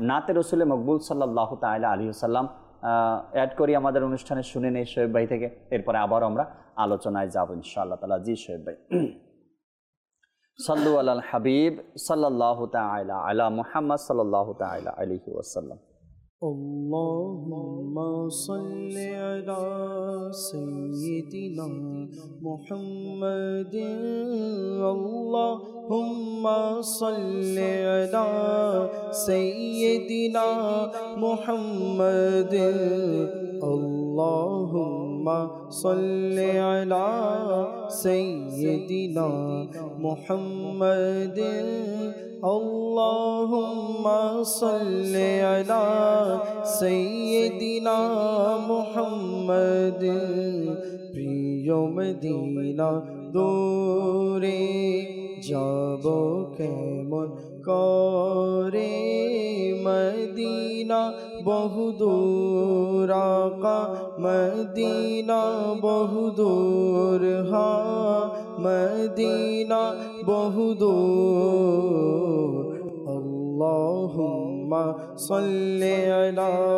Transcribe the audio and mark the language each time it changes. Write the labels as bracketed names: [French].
[Bangla] নাতে রসুলে মকবুল সাল্লাল্লাহু তাআলা আলাইহি সাল্লাম অ্যাড করি আমাদের অনুষ্ঠানে, শুনে নেই শোয়েব ভাই থেকে, এরপরে আবার আমরা আলোচনায় যাব ইনশাআল্লাহ তাআলা। জি শোয়েব ভাই, [Arabic] সাল্লু আলাল হাবিব সাল্লাল্লাহু তাআলা আলা মুহাম্মদ সাল্লাল্লাহু তাআলা আলাইহি ওয়াসাল্লাম। اللهم صل على سيدنا محمد اللهم صل على سيدنا محمد اللهم صل على سيدنا محمد اللهم صل على سيدنا محمد [Bangla] প্রিয় মদিনা দূরে যাব কেমন করে ম মদিনা বহু দূর আকা মদিনা বহু দূর হা মদিনা বহু দূর [Arabic] اللهم صل على